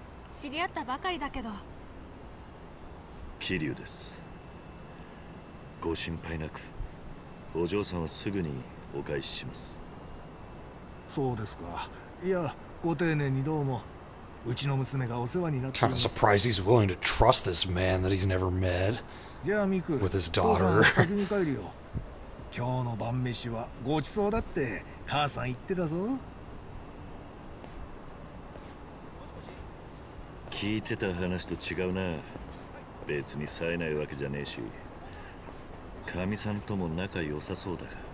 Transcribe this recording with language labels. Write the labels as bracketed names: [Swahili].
[Japanese] 知り合ったばかりだけど。桐生です。ご心配なく、お嬢さんはすぐにお返しします。そうですか。いや、ご丁寧にどうも。うちの娘がお世話になっています [English] Kind of surprised he's willing to trust this man that he's never met. [Japanese] じゃあミク、 [English] with his daughter. [Japanese] 先に帰るよ。今日の晩飯はごちそうだって母さん言ってたぞ。聞いてた話と違うな。別に冴えないわけじゃねえし、神さんとも仲良さそうだが。